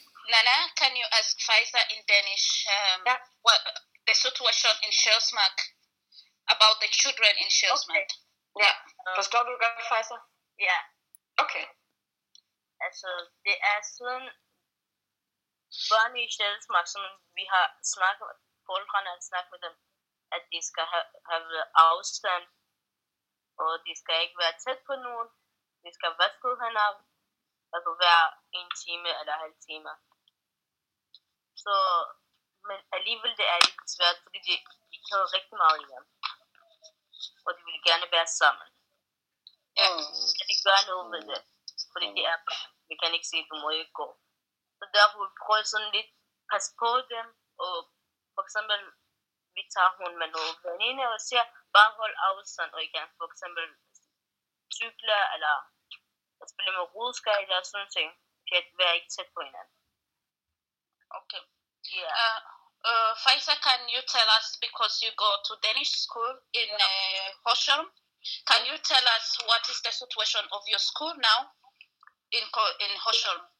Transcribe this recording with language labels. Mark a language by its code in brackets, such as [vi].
[en] Nana, can you ask Faiza in Danish what the situation in Sjælsmark about the children in Sjælsmark? Okay. Yeah. [da] Forstår du godt, Faiza? [en] Yeah. Okay. [da] Altså, det er sådan, børn i Sjælsmark, som vi har snakket med, forældrene har snakket med dem, at de skal have afstand, og de skal ikke være tæt på nogen, de skal vaske hænder, altså hver en time eller halv time. Så, men alligevel det er lidt svært, fordi de kører rigtig meget hjem, og de vil gerne være sammen. Kan ikke gøre noget med det, fordi de er bare, vi kan ikke se, du må ikke gå. Så derfor prøver jeg sådan lidt passe på dem, og for eksempel, vi tager hun med nogle veninde og siger, bare hold afstand, og igen, for eksempel cykler, eller at spille med rulleskøjter eller sådan ting, kan at være ikke tæt på hinanden. [en] Okay. Yeah. Faiza, can you tell us, because you go to Danish school in Horsham, can you tell us what is the situation of your school now in Horsham?